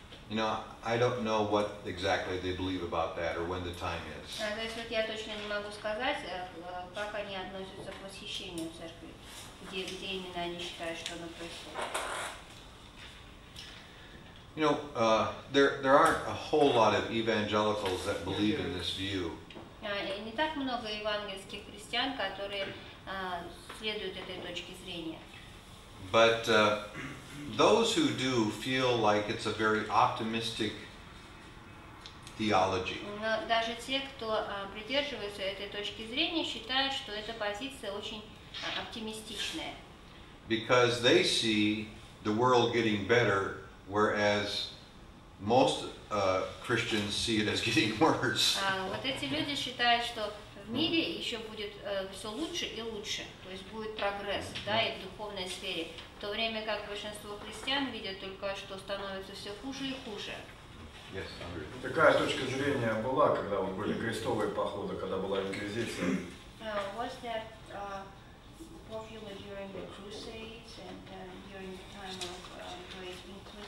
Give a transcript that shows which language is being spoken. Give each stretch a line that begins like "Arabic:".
English: You know, I don't know what exactly they believe about that or when the time is.
Russian: Я точно не могу сказать, как они относятся к восхищению в церкви, где именно они считают, что оно происходит.
English: You know, there aren't a whole lot of evangelicals that believe in this view.
Russian: Не так много евангельских христиан, которые следуют этой точке зрения.
English: But those who do feel like it's a very optimistic theology.
Russian: Но даже те, кто придерживается этой точки зрения, считают, что эта позиция очень оптимистичная.
English: Because they see the world getting better, whereas most Christians see it as getting worse.
Russian: Вот эти люди считают, что в мире еще будет все лучше и лучше, то есть будет прогресс, да, и в духовной сфере, в то время как большинство христиан видят только, что становится все хуже и хуже.
English: Yes,
Russian: такая точка зрения была, когда вот были крестовые походы, когда была инквизиция.
English: Was that popular during the Crusades and during the time of